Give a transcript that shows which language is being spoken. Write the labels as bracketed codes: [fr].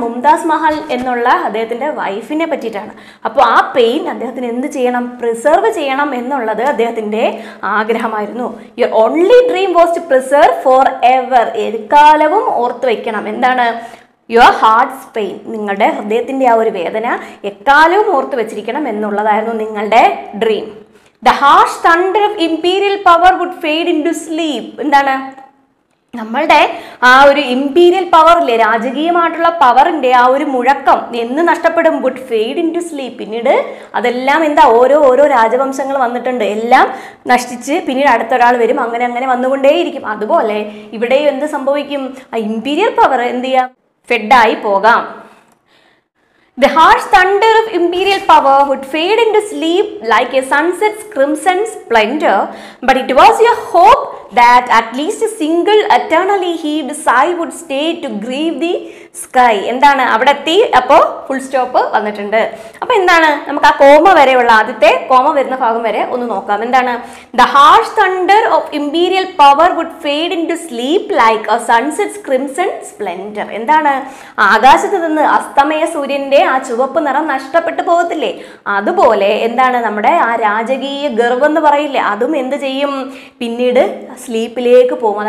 [ml] മുംതാസ് മഹൽ എന്നുള്ള അദ്ദേഹത്തിന്റെ വൈഫിനെ പറ്റിയിട്ടാണ്. അപ്പോൾ ആ പെയിൻ അദ്ദേഹത്തിന് എന്ത് ചെയ്യണം, പ്രിസർവ് ചെയ്യണം എന്നുള്ളത് അദ്ദേഹത്തിന്റെ ആഗ്രഹമായിരുന്നു. [en] your only dream was to preserve forever, [ml] എക്കാലവും ഓർത്ത് വയ്ക്കണം. എന്താണ് [en] your heart's pain, [ml] നിങ്ങളുടെ ഹൃദയത്തിന്റെ ആ ഒരു വേദന എക്കാലവും ഓർത്ത് വെച്ചിരിക്കണം എന്നുള്ളതായിരുന്നു നിങ്ങളുടെ dream. [en] The harsh thunder of imperial power would fade into sleep. [ml] എന്താണ് നമ്മളുടെ ആ ഒരു ഇമ്പീരിയൽ പവർ ഇല്ലേ, രാജകീയമായിട്ടുള്ള പവറിന്റെ ആ ഒരു മുഴക്കം എന്ന് നഷ്ടപ്പെടും? [en] Would fade into sleep. [ml] പിന്നീട് അതെല്ലാം എന്താ, ഓരോ രാജവംശങ്ങൾ വന്നിട്ടുണ്ട്, എല്ലാം നശിച്ച് പിന്നീട് അടുത്തൊരാൾ വരും, അങ്ങനെ അങ്ങനെ വന്നുകൊണ്ടേയിരിക്കും. അതുപോലെ ഇവിടെയും എന്ത് സംഭവിക്കും, ആ ഇമ്പീരിയൽ പവർ എന്ത് ചെയ്യാം, ഫെഡായി പോകാം. [en] The harsh thunder of imperial power would fade into sleep like a sunset's crimson splendor, but it was your hope that at least a single eternally heaved sigh would stay to grieve the sky. [ml] എന്താണ് അവിടെ എത്തി, അപ്പോൾ full stop വന്നിട്ടുണ്ട്. അപ്പോൾ എന്താണ്, നമുക്ക് ആ comma വരെയുള്ള ആദ്യത്തെ കോമ വരുന്ന ഭാഗം വരെ ഒന്ന് നോക്കാം. എന്താണ്, [en] The harsh thunder of imperial power would fade into sleep like a sunset's crimson splendour. [ml] എന്താണ്, ആകാശത്ത് നിന്ന് അസ്തമയ സൂര്യൻ്റെ ആ ചുവപ്പ് നിറം നഷ്ടപ്പെട്ടു പോകത്തില്ലേ, അതുപോലെ എന്താണ് നമ്മുടെ ആ രാജകീയ ഗർവം എന്ന് പറയില്ലേ, അതും എന്ത് ചെയ്യും, പിന്നീട് സ്ലീപ്പിലേക്ക് പോകും.